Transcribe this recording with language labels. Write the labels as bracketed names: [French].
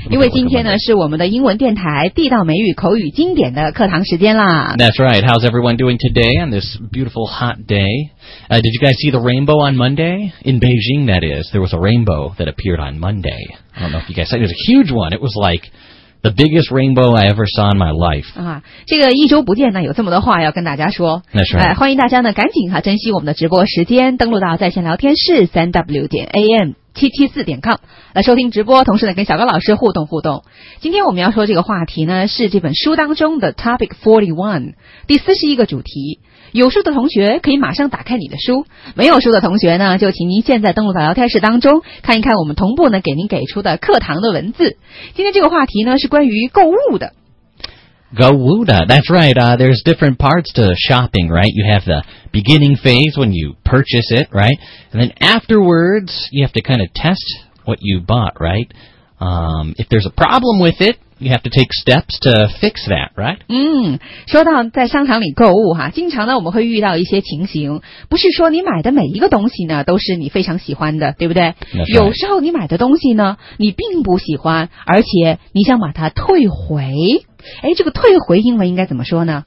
[Chinese] 因为今天呢是我们的英文电台地道美语口语经典的课堂时间啦。 [English] That's right, how's everyone doing today on this beautiful hot day? Did you guys see the rainbow on Monday? In Beijing, that is. There was a rainbow that appeared on Monday. I don't know if you guys saw it. It was a huge one. It was like... The biggest rainbow I ever saw in my life. [Chinese] 啊，这个一周不见呢，有这么多话要跟大家说。那是。欢迎大家呢，赶紧哈、啊、珍惜我们的直播时间，登录到在线聊天室3w.am774.com 来收听直播，同时呢跟小高老师互动互动。今天我们要说这个话题呢，是这本书当中的 Topic 41，第41个主题。有书的同学可以马上打开你的书，没有书的同学呢，就请您现在登录到聊天室当中，看一看我们同步呢给您给出的课堂的文字。今天这个话题呢是关于购物的。 [English] Go Wuda, that's right, there's different parts to shopping, right? You have the beginning phase when you purchase it, right? And then afterwards, you have to kind of test what you bought, right? If there's a problem with it,You have to take steps to fix that, right? [Chinese] 嗯，说到在商场里购物哈，经常呢我们会遇到一些情形，不是说你买的每一个东西呢都是你非常喜欢的，对不对？ [English] That's right. [Chinese] 有时候你买的东西呢你并不喜欢，而且你想把它退回。哎，这个退回英文应该怎么说呢？